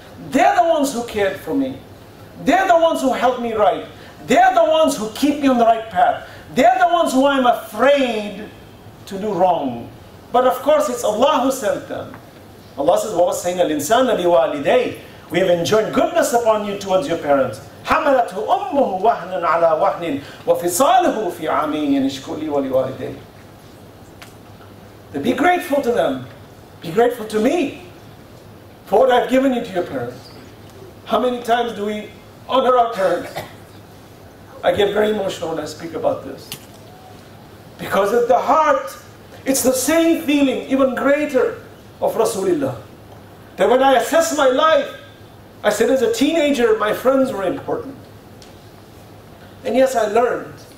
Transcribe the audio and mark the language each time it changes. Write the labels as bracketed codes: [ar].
[en] They're the ones who cared for me. They're the ones who helped me right. They're the ones who keep me on the right path. They're the ones who I'm afraid to do wrong. But of course, it's Allah who sent them. Allah says, [ar] "Wa wassayna al-insana liwalidayhi. [en] We have enjoined goodness upon you towards your parents. [ar] حَمَلَتْهُ أُمُّهُ وَهْنًا عَلَىٰ وَهْنٍ وَفِصَالُهُ فِي عَمَيْنِ اشْكُرْ لِي وَلِوَالِدَيْهِ. [en] Be grateful to them. Be grateful to me. for what I've given you to your parents. How many times do we honor our parents? I get very emotional when I speak about this. Because at the heart, it's the same feeling, even greater, of Rasulullah. That when I assess my life, I said as a teenager, my friends were important. And yes, I learned.